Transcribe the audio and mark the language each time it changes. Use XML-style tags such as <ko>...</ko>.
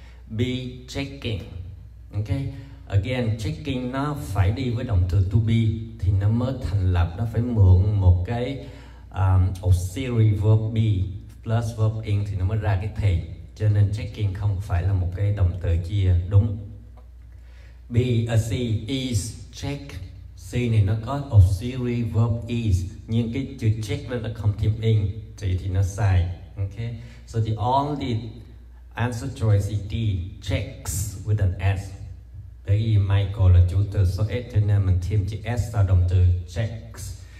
<en>B checking, okay.</en> <vi>Again, checking nó phải đi với động từ to be thì nó mới thành lập, nó phải mượn một cái auxiliary verb be plus verb in thì nó mới ra cái thì. Cho nên checking không phải là một cái động từ chia đúng. Be a C is check. C này nó có auxiliary verb is nhưng cái chữ check nó không thêm in thì nó sai. Okay.</vi> <en>So the only answer choice is D, checks with an S.</en> <vi>Bởi vì Michael là chủ từ số S cho nên mình thêm chữ S vào động từ checks.</vi>